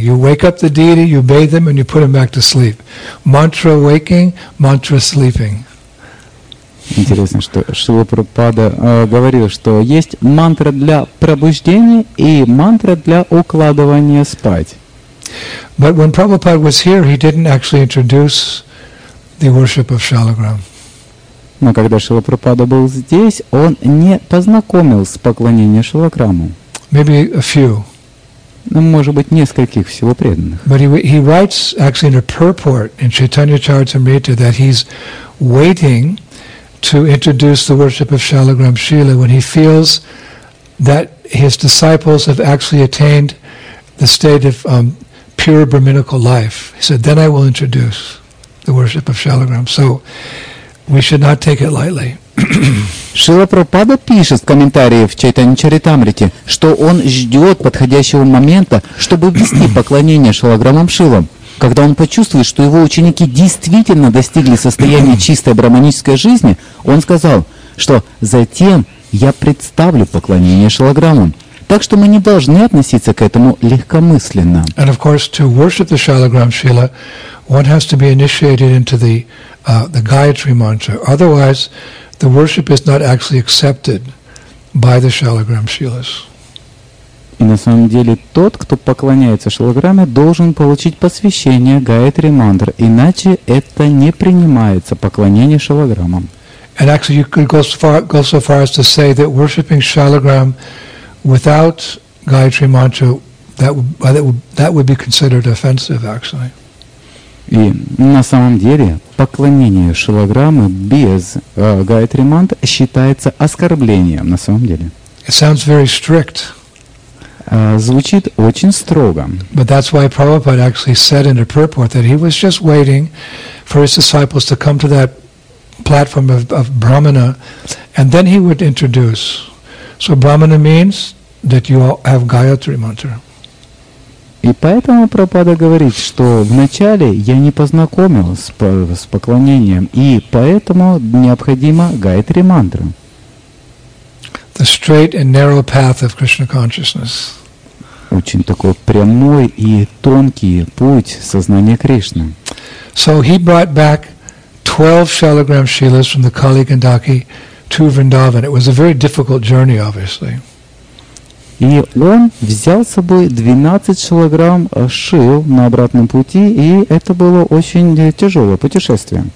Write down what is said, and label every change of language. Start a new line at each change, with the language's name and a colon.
English: You wake up the deity, you bathe him, and you put him back to sleep. Mantra waking, mantra sleeping.
Russian: Интересно, что Шрила Прабхупада говорил, что есть мантра для пробуждения и мантра для укладывания спать.
English: But when Prabhupada was here, he didn't actually introduce the worship of Shalagram.
Russian: Но когда Шрила Прабхупада был здесь, он не познакомился с поклонением Шалаграму.
English: Maybe a few.
Russian: Ну, может быть, нескольких всего преданных.
English: But he writes actually in a purport in Chaitanya Charitamrita that he's waiting to introduce the worship of Shalagram Srila when he feels that his disciples have actually attained the state of pure brahminical life. He said, then I will introduce the worship of Shalagram. So, we should not take it lightly.
Russian: Шрила Прабхупада пишет в комментарии в Чайтани Чаритамрите, что он ждет подходящего момента, чтобы ввести поклонение Шалаграмам Шилам. Когда он почувствует, что его ученики действительно достигли состояния чистой брахманической жизни, он сказал, что затем я представлю поклонение Шалаграмам. Так что мы не должны относиться к этому легкомысленно.
English: And of course, to worship the Shalagram Srila, one has to be initiated into the Gayatri Mantra. Otherwise, the worship is not actually accepted by the Shalagram Srilas.
Russian: И на самом деле тот, кто поклоняется Шалаграме, должен получить посвящение Гайатри Мантры, иначе это не принимается поклонение Шалаграмам.
English: And actually, you could go so far as to say that worshiping Shalagram without Gayatri Mantra, that would be considered offensive, actually.
Russian: И на самом деле поклонение Шалаграмы без Гайатри Мантры считается оскорблением на самом деле.
English: It sounds very strict.
Russian: Звучит очень строго.
English: But that's why Prabhupada actually said in the purport that he was just waiting for his disciples to come to that platform of Brahmana, and then he would introduce. So Brahmana means that you have Gayatri Mantra.
Russian: И поэтому Прабхупада говорит, что вначале я не познакомился с поклонением, и поэтому необходимо Гайатри Мантра.
English: The straight and narrow path of Krishna consciousness.
Russian: Очень такой прямой и тонкий путь сознания Кришны.
English: So he brought back 12 Shalagram Srilas from the Kali Gandaki to Vrindavan. It was a very difficult journey, obviously.
Russian: И он взял с собой 12 шалограмм шил на обратном пути, и это было очень тяжелое путешествие.